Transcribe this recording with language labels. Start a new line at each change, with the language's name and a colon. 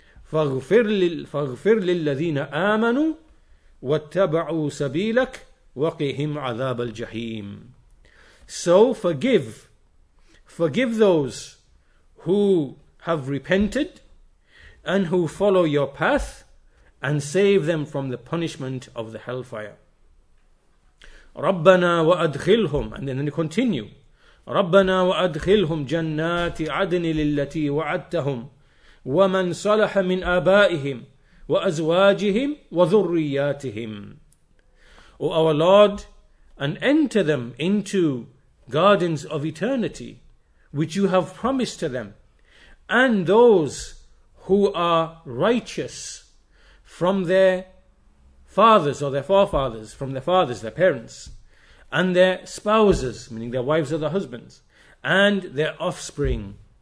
Arabic: فَغْفِرْ لِلَّذِينَ آمَنُوا وَاتَّبَعُوا سَبِيلَكَ وَقِهِمْ عَذَابَ الْجَحِيمِ.
English: So forgive those who have repented and who follow your path, and save them from the punishment of the hellfire.
Arabic: رَبَّنَا وَأَدْخِلْهُمْ,
English: and then they continue,
Arabic: رَبَّنَا وَأَدْخِلْهُمْ جَنَّاتِ عَدْنِ لِلَّتِي وَعَدْتَهُمْ وَمَنْ صَلَحَ مِنْ آبَائِهِمْ وَأَزْوَاجِهِمْ وَذُرِّيَّاتِهِمْ.
English: O our Lord, and enter them into gardens of eternity, which you have promised to them, and those who are righteous from their fathers or their forefathers, from their fathers, their parents, and their spouses, meaning their wives or their husbands, and their offspring.